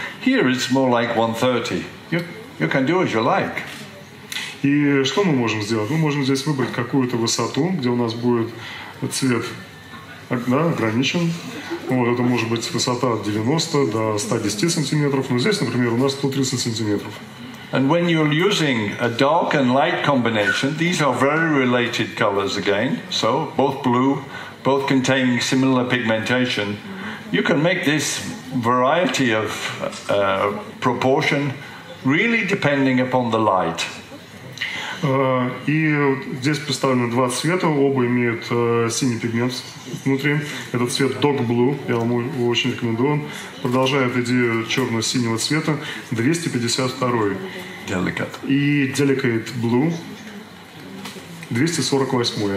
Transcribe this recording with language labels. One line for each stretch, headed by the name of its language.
English: Here it's more like 130. You can do as you like.
Russian: И что мы можем сделать? Мы можем здесь выбрать какую-то высоту, где у нас будет цвет, да, ограничен. Вот, это может быть высота от 90 до 110 сантиметров. Но здесь, например, у нас 130 сантиметров.
English: And when you're using a dark and light combination, these are very related colors again. So both blue, both containing similar pigmentation. You can make this variety of proportion really depending upon the light.
Russian: И здесь представлены два цвета, оба имеют синий пигмент внутри. Этот цвет dark blue, я вам очень рекомендую. Он продолжает идею черно-синего цвета, 252-й.
English: Delicate.
Russian: И delicate blue, 248-й.